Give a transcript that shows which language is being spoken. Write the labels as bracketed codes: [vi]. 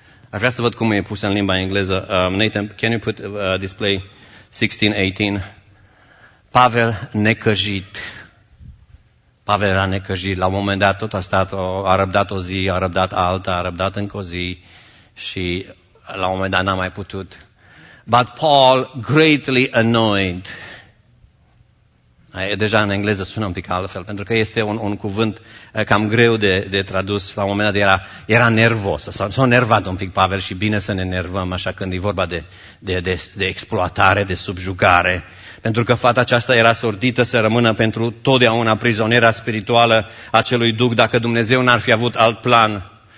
[ro] Ar vrea să văd cum e pus în limba engleză. Nathan, [en] can you put display 16:18? [ro] Pavel necăjit. Pavel era necăjit. La un moment dat tot a stat, a răbdat o zi, a răbdat alta, a răbdat încă o zi și la un moment dat n-a mai putut. [en] But Paul greatly annoyed. [ro] Deja în engleză sună un pic altfel, pentru că este un cuvânt cam greu de tradus. La un moment dat era nervos, s-a nervat un pic Pavel și bine să ne nervăm așa când e vorba de exploatare, de subjugare. Pentru că fata aceasta era sortită să rămână pentru totdeauna prizoniera spirituală a celui duc dacă Dumnezeu n-ar fi avut alt plan.